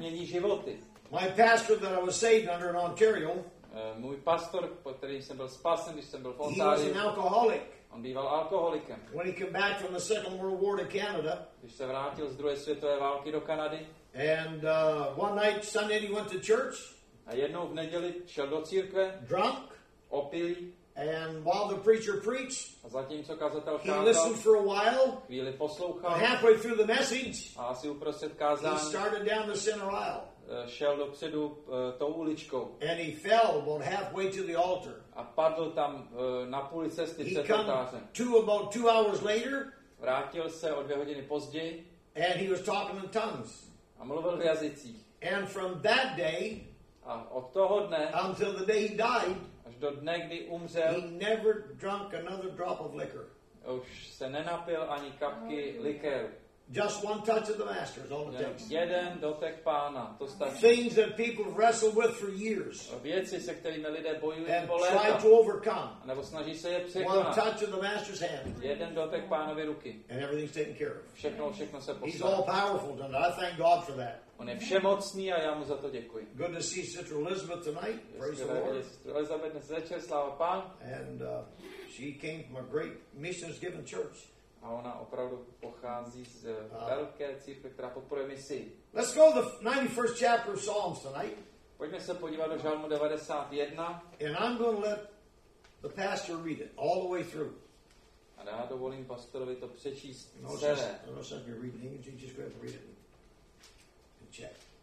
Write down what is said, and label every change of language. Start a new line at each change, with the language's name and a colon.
English: My pastor that I was saved under in Ontario.
Czech: Můj pastor, který jsem byl spasen, když jsem byl v Ontáriu.
English: He was an alcoholic.
Czech: On býval alkoholikem.
English: When he came back from the Second World War to Canada.
Czech: Když se vrátil z druhé světové války do Kanady.
English: And one night Sunday he went to church.
Czech: A jednou v neděli šel do církve.
English: Drunk.
Czech: Opilý.
English: And while the preacher preached,
Czech: a zatímco kazatel kázal,
English: he listened for a while.
Czech: Chvíli poslouchal.
English: Halfway through the message,
Czech: a asi uprostřed kázání,
English: he started down the center aisle.
Czech: Šel dopředu tou uličkou.
English: And he fell about halfway to the altar.
Czech: A padl tam na půli cesty před oltářem.
English: About 2 hours later.
Czech: Vrátil se o 2 hodiny později.
English: And he was talking in tongues.
Czech: A mluvil v jazycích.
English: And from that day.
Czech: A od toho dne.
English: Until the day he died.
Czech: Až do dne, kdy umřel.
English: He never drank another drop of liquor.
Czech: Už se nenapil ani kapky likéru.
English: Just one touch of the Master is all it takes.
Czech: Jeden dotek Pána, to stačí.
English: Things that people wrestle with for years.
Czech: Věci, se kterými lidé bojují
English: and
Czech: po léta,
English: try to overcome.
Czech: Nebo snaží se je překonat.
English: One touch of the Master's hand.
Czech: Jeden dotek Pánovy ruky.
English: And everything's taken care of.
Czech: Všechno se postaví.
English: He's all powerful, and I thank God for that.
Czech: On je všemocný a já mu za to děkuji.
English: Good to see Sister Elizabeth tonight. Praise the Lord.
Czech: Večer, sláva Pán.
English: And she came from a great missions-given church.
Czech: A ona opravdu pochází z velké církve, která podporuje misi.
English: Let's go to the 91st chapter of Psalms tonight.
Czech: Pojďme se podívat do žalmu 91.
English: And I'm going to let the pastor read it all the way through.
Czech: A já dovolím pastorovi to přečíst celé.
English: No, just, you're reading English, just go ahead and read it and check.